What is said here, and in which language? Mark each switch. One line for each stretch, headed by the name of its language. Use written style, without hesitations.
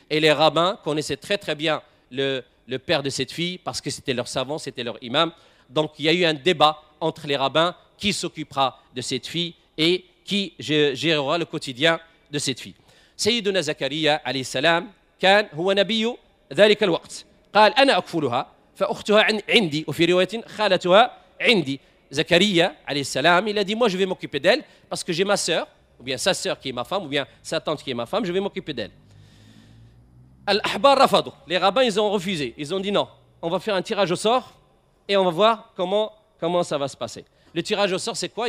French: Et les rabbins connaissaient très très bien le père de cette fille parce que c'était leur savant, c'était leur imam. Donc il y a eu un débat entre les rabbins: qui s'occupera de cette fille et qui gérera le quotidien de cette fille.
Arabic: سيدنا زكريا عليه السلام كان هو نبي ذلك الوقت، قال: أنا أكفلها فأختها عندي، وفي رواية خالتها عندي.
French: زكريا عليه السلام il a dit: moi je vais m'occuper d'elle parce que j'ai ma sœur ou bien sa sœur qui est ma femme ou bien sa tante qui est ma femme, je vais m'occuper d'elle.
Arabic: الأحبار رفضوا،
French: les rabbins ils ont refusé, ils ont dit: non, on va faire un tirage au sort et on va voir comment ça va se passer. Le tirage au sort c'est quoi?